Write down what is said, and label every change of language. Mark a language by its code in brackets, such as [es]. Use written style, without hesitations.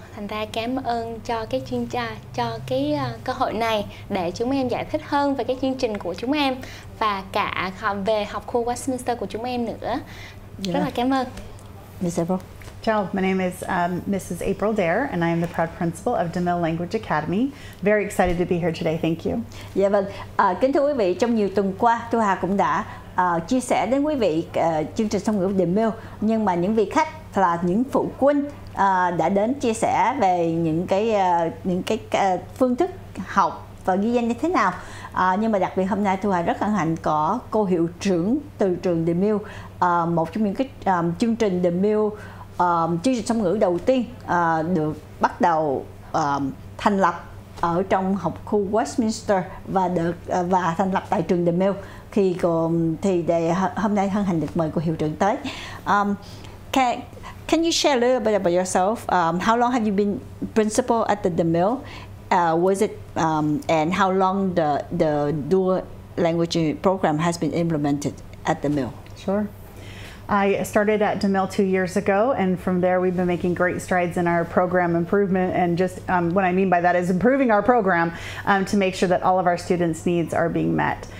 [vi] Thành ra cảm ơn cho cái chương cho cái cơ hội này để chúng em giải thích hơn về cái chương trình của chúng em và cả về học khu Westminster của chúng em nữa. Rất là cảm ơn. [en] Miss April. Ciao, my name is Mrs. April Dare, and I am the proud principal of DeMille Language Academy. Very excited to be here today. Thank you. [vi] Dạ vâng. Kính thưa quý vị, trong nhiều tuần qua, Thu Hà cũng đã chia sẻ đến quý vị chương trình song ngữ DeMille. Nhưng mà những vị khách là những phụ huynh đã đến chia sẻ về những cái phương thức học và ghi danh như thế nào. Nhưng mà đặc biệt hôm nay Thu Hà rất hân hạnh có cô hiệu trưởng từ trường DeMille, một trong những cái chương trình DeMille. Chương trình song ngữ đầu tiên được bắt đầu thành lập ở trong học khu Westminster và thành lập tại trường The Mill. Khi còn thì để hôm nay hân hạnh được mời cô hiệu trưởng tới. [en] Can you share a little bit about yourself? How long have you been principal at the Mill? Was it and how long the dual language program has been implemented at the Mill? Sure. I started at DeMille 2 years ago, and from there we've been making great strides in our program improvement, and just what I mean by that is improving our program to make sure that all of our students' needs are being met.